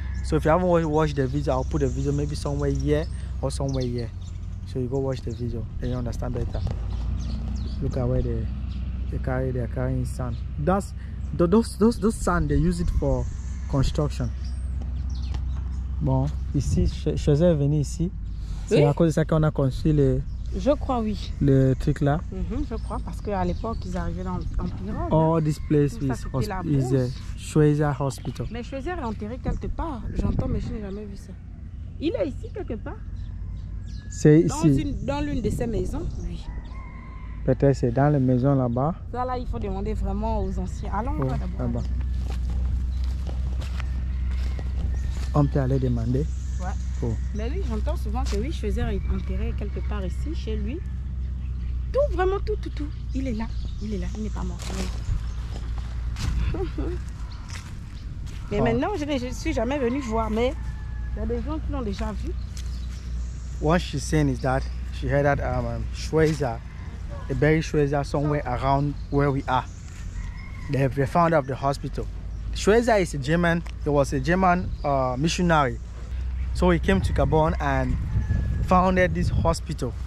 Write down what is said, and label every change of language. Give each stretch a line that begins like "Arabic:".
English: So if you haven't watched the video, I'll put the video maybe somewhere here or somewhere here. So you go watch the video and you understand better. Look at where they're carrying sand. That's those sand, they use it for construction.
French: Bon, ici, Schweitzer est venu ici. Oui? C'est à cause de ça qu'on a construit le. Je crois oui. Le truc là. Mm-hmm, je crois parce qu'à l'époque ils arrivaient en pirogue.
English: Oh, this place
French: tout
English: is Schweitzer Hospital.
French: Mais Schweitzer est enterré quelque part. J'entends, mais je n'ai jamais vu ça. Il est ici quelque part. C'est ici. Dans l'une de ses maisons, oui. Peut-être c'est dans les maisons là-bas. Ça là, il faut demander vraiment aux anciens. Allons oui, là-bas. Là-bas. On peut aller demander. Ouais. Mais oui, j'entends souvent que oui, Schweitzer est enterré quelque part ici, chez lui. Tout, vraiment tout, tout, tout. Il est là. Il est là. Il n'est pas mort. Oui. Mais oh. Maintenant, je ne suis jamais venu voir, mais il y a des gens qui l'ont déjà vu.
English: What she's saying is that she heard that Schweitzer, they buried Schweitzer somewhere around where we are. The founder of the hospital. Schweitzer is a German. He was a German missionary. So he came to Gabon and founded this hospital.